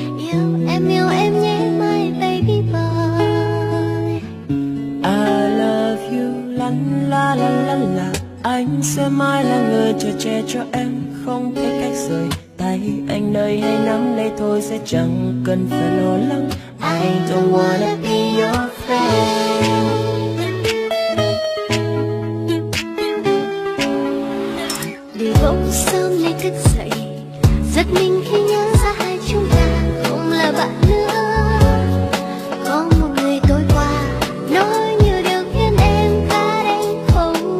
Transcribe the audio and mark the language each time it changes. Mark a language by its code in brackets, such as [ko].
[vi] Yêu em nhé, [en] my baby boy. I love you, la la la la la. [vi] Anh sẽ mãi là người chở che cho em, không thể cách rời tay anh nơi hay nắm lấy thôi, sẽ chẳng cần phải lo lắng. [en] I don't wanna be your friend. [vi] Sớm lại thức dậy, giật mình khi nhớ ra hai chúng ta không là bạn nữa. Có một người tối qua nói nhiều điều khiến em khá đánh khổ.